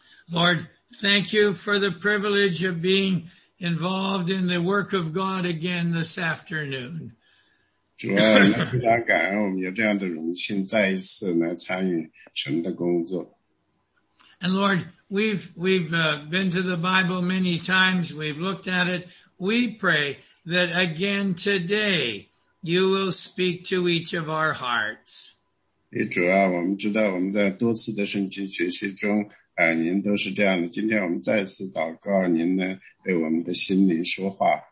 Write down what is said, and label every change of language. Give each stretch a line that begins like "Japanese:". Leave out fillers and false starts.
English: Lord, thank you for the privilege of being involved in the work of God again this afternoon.
Chinese: 主啊，非常感恩我们有这样的荣幸，再一次来参与神的工作。And
English: Lord, we've been to the Bible many times. We've looked at it. We pray that again today you will speak to each of our hearts.
Chinese: 主啊，我们知道我们在多次的圣经学习中，您都是这样的。今天我们再次祷告，您呢为我们的心灵说话。